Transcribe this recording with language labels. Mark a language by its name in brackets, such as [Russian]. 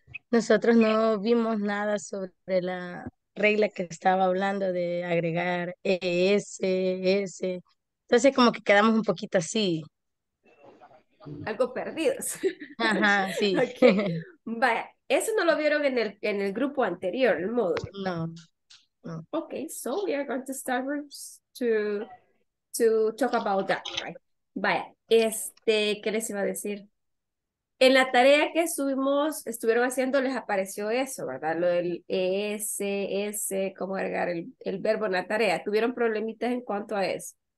[Spanish] nosotros no vimos nada sobre la regla que estaba hablando de agregar ES, S. Entonces, como que quedamos un poquito así. Algo perdidos. Ajá, sí. Okay. Vaya. Eso no lo vieron en el grupo anterior, el módulo. No. [English] Okay, so we are going to start to talk about that, right? [Spanish] Vaya, ¿qué les iba a decir? En la tarea que estuvieron haciendo, les apareció eso, ¿verdad? Lo del ES, cómo agregar el verbo en la tarea. ¿Tuvieron problemitas en cuanto a eso?